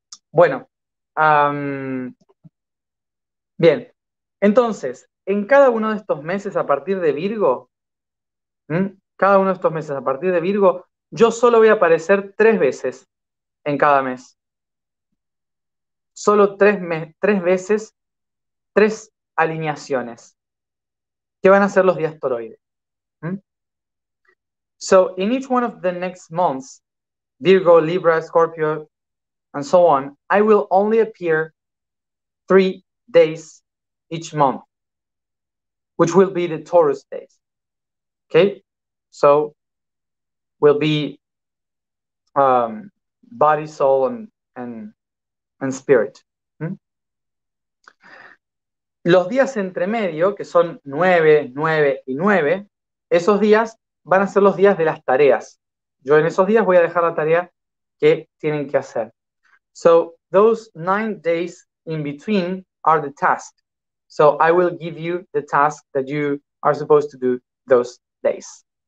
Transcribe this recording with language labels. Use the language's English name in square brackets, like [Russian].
[Spanish] Bueno, bien, entonces, en cada uno de estos meses a partir de Virgo, cada uno de estos meses a partir de Virgo, yo solo voy a aparecer 3 veces en cada mes. Solo 3 veces, 3 alineaciones, que van a ser los días toroides. [English] So, in each one of the next months, Virgo, Libra, Scorpio, and so on, I will only appear 3 days each month, which will be the Taurus days. Okay? So, will be body, soul, and spirit. [Spanish] Los días entre medio, que son 9, 9 y 9, esos días van a ser los días de las tareas. Yo en esos días voy a dejar la tarea que tienen que hacer. [English] So, those 9 days in between are the task. So, I will give you the task that you are supposed to do those days.